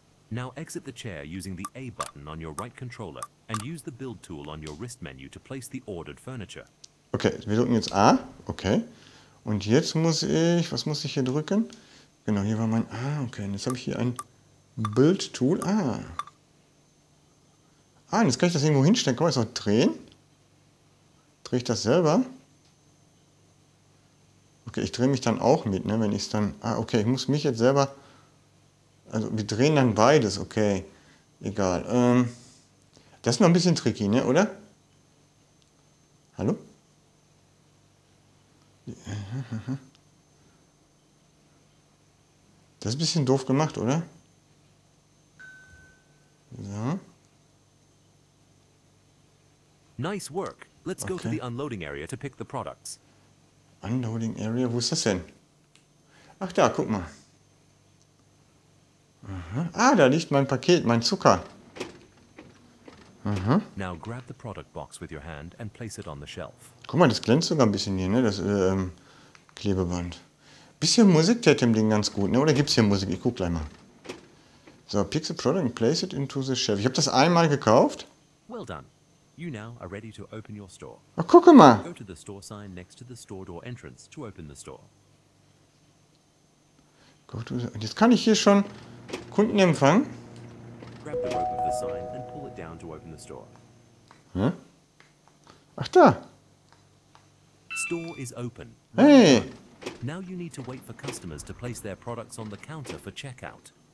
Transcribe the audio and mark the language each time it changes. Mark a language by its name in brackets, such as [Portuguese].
[English] Now exit the chair using the A button on your right controller and use the build tool on your wrist menu to place the ordered furniture. [German] Okay, wir drücken jetzt A. Okay. Und jetzt muss ich, was muss ich hier drücken? Genau, hier war mein A. Okay, und jetzt habe ich hier ein Build Tool. Ah. Ah, und jetzt kann ich das irgendwo hinstellen. Kann man das auch drehen? Drehe ich das selber? Okay, ich drehe mich dann auch mit, ne, wenn ich es dann... Ah, okay, ich muss mich jetzt selber... Also, wir drehen dann beides, okay. Egal. Das ist noch ein bisschen tricky, ne, oder? Hallo? Das ist ein bisschen doof gemacht, oder? So. [English] Nice work. Let's go to the unloading area to pick the products. [German] Unloading Area, wo ist das denn? Ach da, guck mal. Aha. Ah, da liegt mein Paket, mein Zucker. Aha. [English] Now grab the product box with your hand and place it on the shelf. [German] Guck mal, das glänzt sogar ein bisschen hier, ne? Das Klebeband. Bisschen Musik täte dem Ding ganz gut, ne? Oder gibt's hier Musik? Ich guck gleich mal. So, [English] pick the product and place it into the shelf. [German] Ich habe das einmal gekauft. [English] Well done. You now are ready to open your store. [German] Ach, guck mal. [English] Go to the store sign next to the store door entrance to open the store. [German] Und jetzt kann ich hier schon Kunden empfangen. [English] Grab the rope of the sign and pull it down to open the store. [German] Hä? Ach da. [English] Store is open. Hey. Now you need to wait for customers to place their products on the counter for checkout.